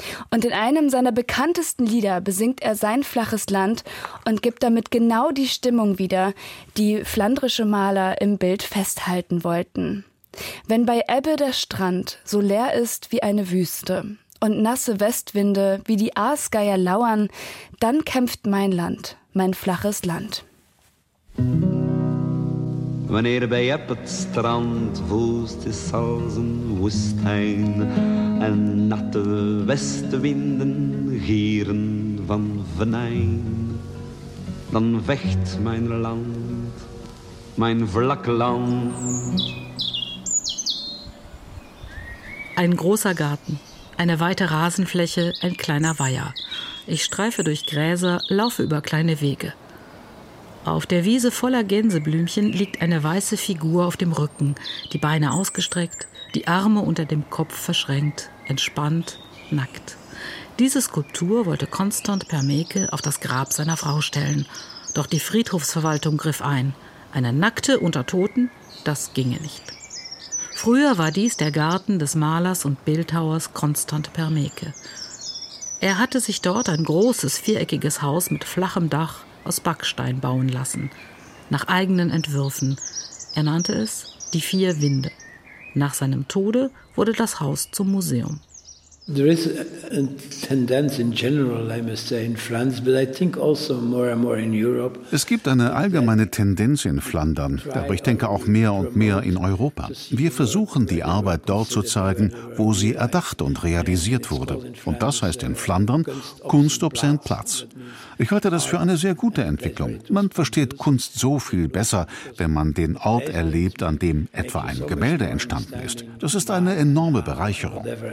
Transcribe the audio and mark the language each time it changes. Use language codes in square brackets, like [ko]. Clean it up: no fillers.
[de] Und in einem seiner bekanntesten Lieder besingt er sein flaches Land und gibt damit genau die Stimmung wieder, die flandrische Maler im Bild festhalten wollten. Wenn bei Ebbe der Strand so leer ist wie eine Wüste und nasse Westwinde, wie die Aasgeier lauern, dann kämpft mein Land, mein flaches Land. [nl] Wanneer bij op het strand woest is als een woestijn en natte westenwinden gieren van venijn, dan vecht mijn land, mijn vlak land. [de] Ein großer Garten, eine weite Rasenfläche, ein kleiner Weiher. Ich streife durch Gräser, laufe über kleine Wege. Auf der Wiese voller Gänseblümchen liegt eine weiße Figur auf dem Rücken, die Beine ausgestreckt, die Arme unter dem Kopf verschränkt, entspannt, nackt. Diese Skulptur wollte Constant Permeke auf das Grab seiner Frau stellen. Doch die Friedhofsverwaltung griff ein. Eine Nackte unter Toten, das ginge nicht. Früher war dies der Garten des Malers und Bildhauers Constant Permeke. Er hatte sich dort ein großes, viereckiges Haus mit flachem Dach aus Backstein bauen lassen, nach eigenen Entwürfen. Er nannte es die Vier Winde. Nach seinem Tode wurde das Haus zum Museum. [en] There is a tendency in general, I must say, in France, but I think also more and more in Europe. [de] Es gibt eine allgemeine Tendenz in Flandern, aber ich denke auch mehr und mehr in Europa. Wir versuchen, die Arbeit dort zu zeigen, wo sie erdacht und realisiert wurde. Und das heißt in Flandern [nl] Kunst op zijn plaats. [de] Ich halte das für eine sehr gute Entwicklung. Man versteht Kunst so viel besser, wenn man den Ort erlebt, an dem etwa ein Gemälde entstanden ist. Das ist eine enorme Bereicherung.